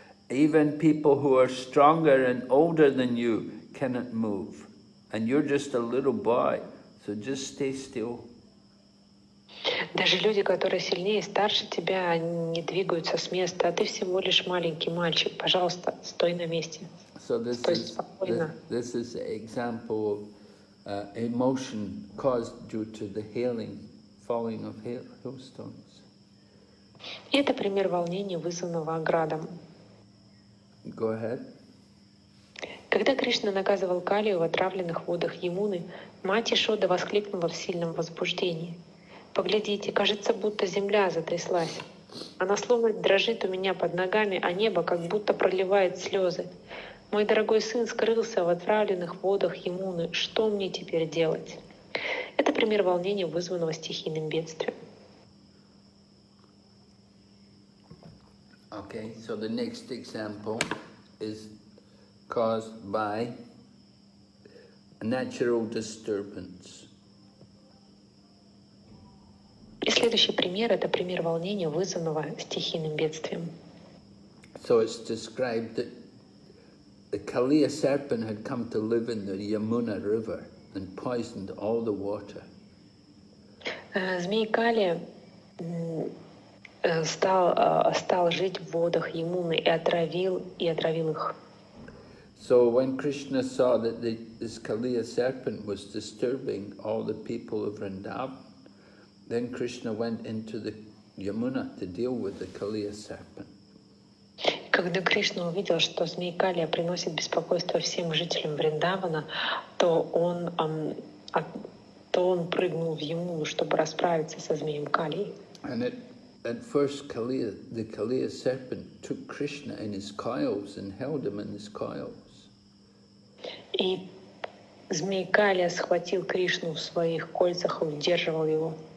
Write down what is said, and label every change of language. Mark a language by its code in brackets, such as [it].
[en] Even people who are stronger and older than you cannot move, and you're just a little boy, so just stay still. [ru] Даже люди, которые сильнее и старше тебя, не двигаются с места, а ты всего лишь маленький мальчик. Пожалуйста, стой на месте. [en] So this [ru] стой [en] is, [ru] спокойно. [en] This is an example of emotion caused due to the hailing, falling of hailstones. [ru] Это пример волнения, вызванного градом. [en] Go ahead. [ru] Когда Кришна наказывал Калию в отравленных водах Ямуны, мать Ишода воскликнула в сильном возбуждении: «Поглядите, кажется, будто земля затряслась. Она словно дрожит у меня под ногами, а небо как будто проливает слезы. Мой дорогой сын скрылся в отравленных водах Ямуны. Что мне теперь делать?» Это пример волнения, вызванного стихийным бедствием. [en] Okay, so the next example is caused by a natural disturbance. [ru] И следующий пример – это пример волнения, вызванного стихийным бедствием. [en] So it's described that the Kaliya serpent had come to live in the Yamuna river and poisoned all the water. [ru] Змей Калия стал жить в водах Ямуны и отравил их. [en] So when Krishna saw that this Kaliya serpent was disturbing all the people of Vrindavan, then Krishna went into the Yamuna to deal with the Kaliya serpent. [ru] Когда Кришна увидел, что змей Калия приносит беспокойство всем жителям Вриндавана, то он прыгнул в Ямуну, чтобы расправиться со змеем Калии. [en] And at first the Kaliya serpent took Krishna in his coils and held him in his coils. [ru] И змей Калия схватил Кришну в своих кольцах и удерживал его.